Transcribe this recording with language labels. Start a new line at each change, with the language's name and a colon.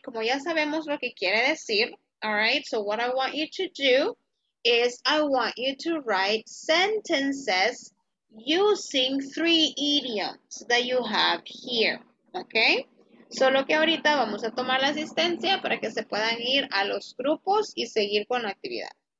Spanish: Como ya sabemos lo que quiere decir,
English: all right? So what I want you to do is I want you to write sentences using 3 idioms that you have here, okay?
Spanish: Solo que ahorita vamos a tomar la asistencia para que se puedan ir a los grupos y seguir con la actividad.